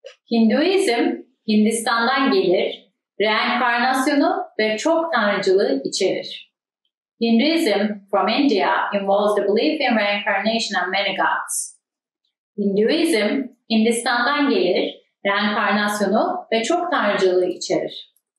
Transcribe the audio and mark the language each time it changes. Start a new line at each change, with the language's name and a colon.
Turkish: Hinduizm Hindistan'dan gelir, reenkarnasyonu ve çok tanrıcılığı içerir.
English: Hinduism from India involves the belief in reincarnation and many gods.
Turkish: Hinduism Hindistan'dan gelir, reenkarnasyonu ve çok tanrıcılığı içerir.